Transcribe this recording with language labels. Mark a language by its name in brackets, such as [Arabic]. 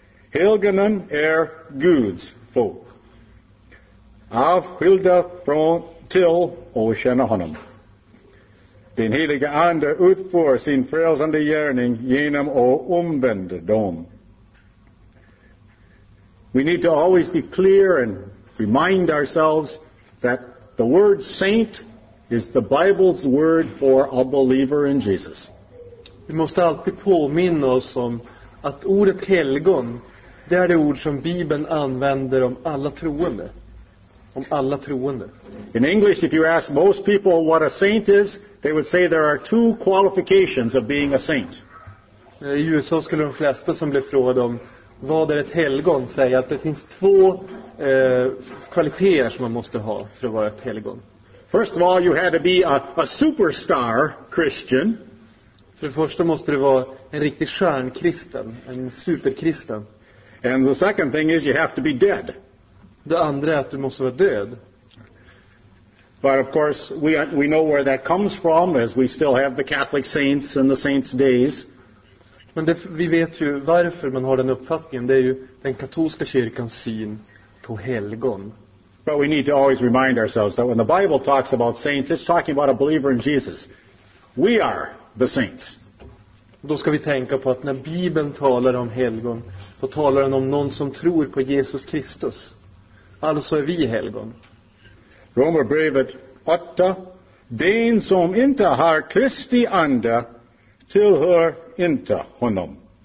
[Swedish] Helgenen är Guds folk, avskilda från till och känna honom. Den heliga ande utför sin frälsande gärning genom att omvända dem. [English] We need to always be clear and remind ourselves that the word saint is the Bible's word for a believer in Jesus. [Swedish] Vi måste alltid påminna oss om att ordet helgon, det är det ord som Bibeln använder om alla troende. Om alla troende. [English] In English, if you ask most people what a saint is, they would say there are two qualifications of being a saint. [Swedish] I USA skulle de flesta som blir frågade om vad är ett helgon säga att det finns två kvaliteter som man måste ha för att vara ett helgon. [English] First of all, you had to be a superstar Christian. [Swedish] För det första måste du vara en riktig stjärnkristen, en superkristen. [English] And the second thing is you have to be dead. [Swedish] Det andra är att du måste vara död. [English] But of course we know where that comes from, as we still have the Catholic saints and the saints' days. [Swedish] Men det, vi vet ju varför man har den uppfattningen. Det är ju den katolska kyrkans syn på helgon. [English] But we need to always remind ourselves that when the Bible talks about saints, it's talking about a believer in Jesus. We are the saints. [Swedish] Då ska vi tänka på att när Bibeln talar om helgon, då talar den om någon som tror på Jesus Kristus. Alltså är vi helgon. Romarbrevet 8. Den som inte har Kristi ande tillhör inte honom.